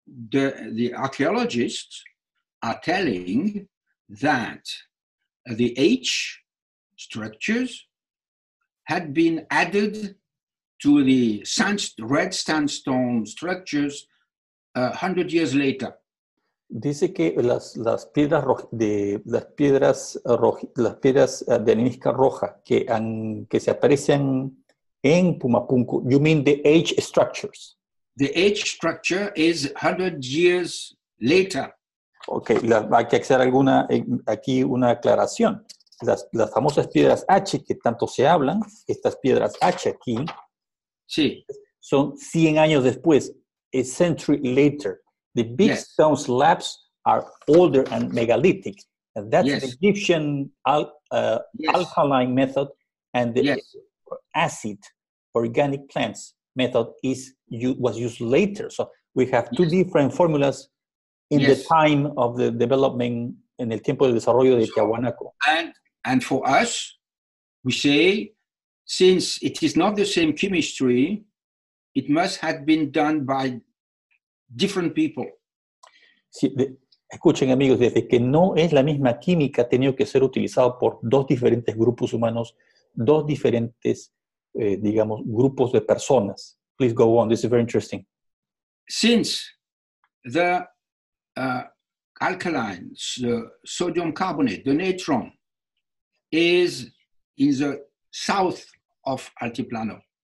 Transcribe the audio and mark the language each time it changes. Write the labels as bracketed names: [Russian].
[English] The archaeologists are telling that the H structures had been added to the red sandstone structures 100 years later. [Spanish] Dice que las piedras de arenisca roja que se aparecen en Pumapunku. [English] You mean the H structures? The age structure is 100 years later. [Spanish] Okay, hay que hacer aquí una aclaración. Las famosas piedras H que tanto se hablan, estas piedras H aquí, sí, son 100 años después, [English] a century later. The big stone slabs are older and megalithic. And that's the Egyptian alkaline method, and the acid organic plants method was used later. So we have two different formulas in the time of the development, [Spanish] en el tiempo del desarrollo de Tiahuanaco. [English] And for us, we say, since it is not the same chemistry, it must have been done by different people. [Spanish] Sí, escuchen amigos, desde que no es la misma química, ha tenido que ser utilizado por dos diferentes grupos humanos, dos diferentes, digamos, grupos de personas. [English] Please go on. This is very interesting. Since the alkalines, the sodium carbonate, the natron, is in the south of Altiplano.